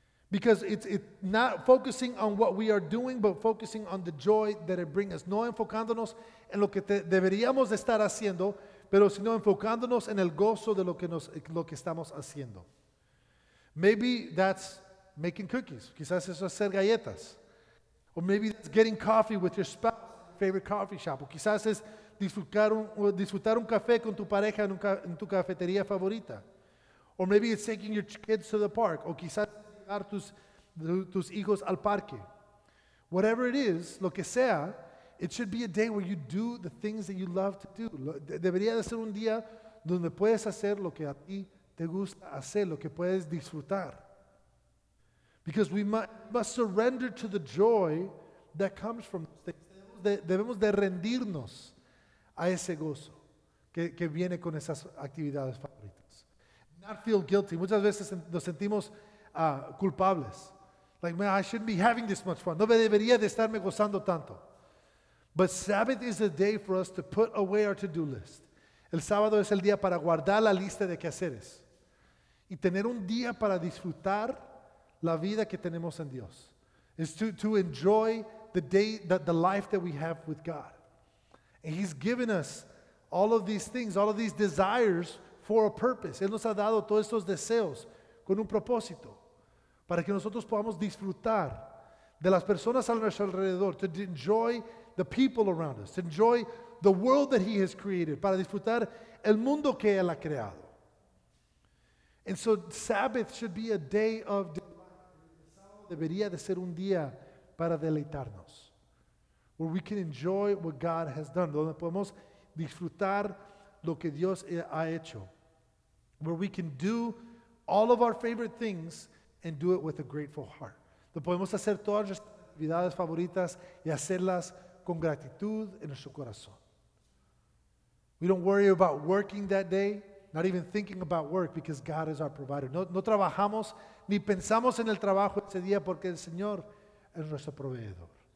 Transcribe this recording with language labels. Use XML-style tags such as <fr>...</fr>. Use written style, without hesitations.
<en>Because it's not focusing on what we are doing, but focusing on the joy that it brings us.</en> <es>No enfocándonos en lo que deberíamos de estar haciendo, pero sino enfocándonos en el gozo de lo que estamos haciendo.</es> <en>Maybe that's making cookies.</en> <es>Quizás eso es hacer galletas.</es> <en>Or maybe that's getting coffee with your spouse, favorite coffee shop.</en> <es>O quizás es disfrutar un café con tu pareja en tu cafetería favorita.</es> <en>Or maybe it's taking your kids to the park.</en> <es>O quizás llevar tus hijos al parque.</es> <en>Whatever it is,</en> <es>lo que sea,</es> <en>it should be a day where you do the things that you love to do.</en> <es>Debería de ser un día donde puedes hacer lo que a ti te gusta hacer, lo que puedes disfrutar.</es> <en>Because we must surrender to the joy that comes from those things.</en> <es>Debemos de rendirnos a ese gozo que viene con esas actividades favoritas.</es> <en>Not feel guilty.</en> <es>Muchas veces nos sentimos culpables.</es> <en>Like, man, I shouldn't be having this much fun.</en> <es>No me debería de estarme gozando tanto.</es> <en>But Sabbath is a day for us to put away our to-do list.</en> <es>El sábado es el día para guardar la lista de quehaceres y tener un día para disfrutar la vida que tenemos en Dios.</es> <en>It's to enjoy the life that we have with God. And He's given us all of these things, all of these desires for a purpose.</en> <es>Él nos ha dado todos estos deseos con un propósito para que nosotros podamos disfrutar de las personas a nuestro alrededor,</es> <en>to enjoy the people around us, to enjoy the world that He has created,</en> <es>para disfrutar el mundo que Él ha creado.</es> <en>And so Sabbath should be a day of delight.</en> <es>Debería de ser un día para deleitarnos,</es> <en>where we can enjoy what God has done,</en> <es>donde podemos disfrutar lo que Dios ha hecho,</es> <en>where we can do all of our favorite things and do it with a grateful heart.</en> <es>Donde podemos hacer todas nuestras actividades favoritas y hacerlas con gratitud en nuestro corazón.</es> <en>We don't worry about working that day, not even thinking about work, because God is our provider.</en> <es>No trabajamos ni pensamos en el trabajo ese día porque el Señor es nuestro proveedor.</es>